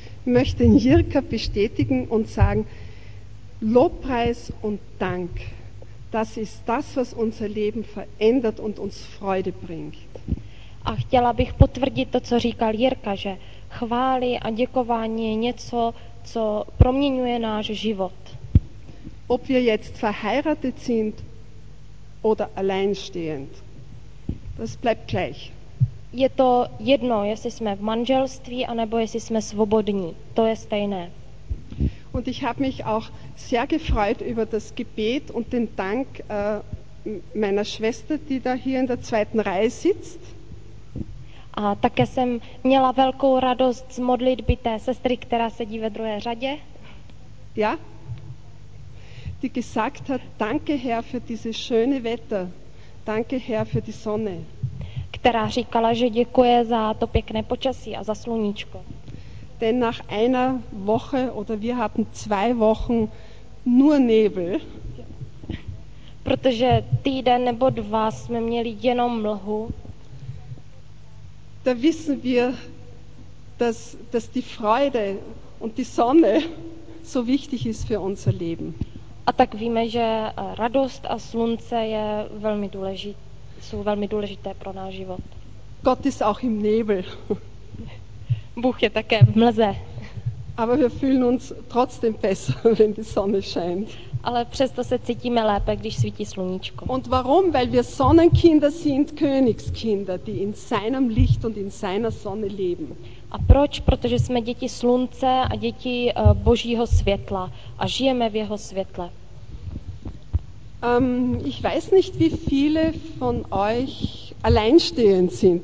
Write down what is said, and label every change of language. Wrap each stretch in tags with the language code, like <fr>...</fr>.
<de>Ich möchte den Jirka bestätigen und sagen, Lobpreis und Dank, das ist das, was unser Leben verändert und uns Freude bringt.</de> <cs>A chtěla bych potvrdit to, co říkal Jirka, že chvály a děkování je něco, co proměňuje náš život.</cs> <de>Ob wir jetzt verheiratet sind oder alleinstehend, das bleibt gleich.</de> <cs>Je to jedno, jestli jsme v manželství anebo jestli jsme svobodní. To je stejné.</cs> <de>Und ich habe mich auch sehr gefreut über das Gebet und den Dank meiner Schwester, die da hier in der zweiten Reihe sitzt.</de> <cs>A také jsem měla velkou radost z modlitby té sestry, která sedí ve druhé řadě.</cs> <de>Ja? Die gesagt hat: "Danke Herr für dieses schöne Wetter. Danke Herr für die Sonne."</de> <cs>Která říkala, že děkuje za to pěkné počasí a za sluníčko.</cs> <de>Denn nach einer Woche oder wir hatten zwei Wochen nur Nebel.</de> <cs>Protože týden nebo dva jsme měli jenom mlhu.</cs> <de>Da wissen wir, dass die Freude und die Sonne so wichtig ist für unser Leben.</de> <cs>A tak víme, že radost a slunce je velmi důležité, jsou velmi důležité pro náš život.</cs> <de>Gott ist auch im Nebel.</de> <cs>Bůh je také v mlze.</cs> <de>Aber wir fühlen uns trotzdem besser, wenn die Sonne scheint.</de> <cs>Ale přesto se cítíme lépe, když svítí sluníčko.</cs> <de>Und warum? Weil wir Sonnenkinder sind, Königskinder, die in seinem Licht und in seiner Sonne leben.</de> <cs>A proč? Protože jsme děti slunce a děti Božího světla a žijeme v jeho světle.</cs> <de>Ich weiß nicht, wie viele von euch alleinstehend sind.</de>